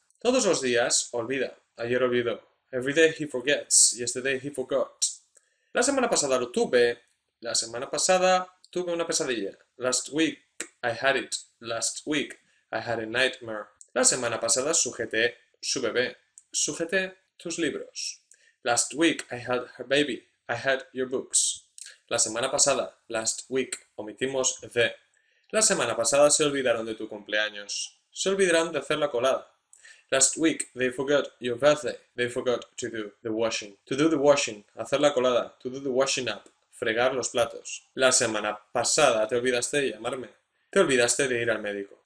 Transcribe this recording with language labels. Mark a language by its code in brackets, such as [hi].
[es] Todos los días olvida, ayer olvidó. [en] Every day he forgets, yesterday he forgot. [es] La semana pasada lo tuve, la semana pasada tuve una pesadilla. [en] Last week I had it, last week I had a nightmare. [es] La semana pasada sujeté su bebé, sujeté tus libros. [en] Last week I had her baby, I had your books. [es] La semana pasada, last week, omitimos the. La semana pasada se olvidaron de tu cumpleaños, se olvidaron de hacer la colada. [en] Last week, they forgot your birthday. They forgot to do the washing. To do the washing, [es] hacer la colada. [en] To do the washing up, [es] fregar los platos. La semana pasada, te olvidaste de llamarme. Te olvidaste de ir al médico.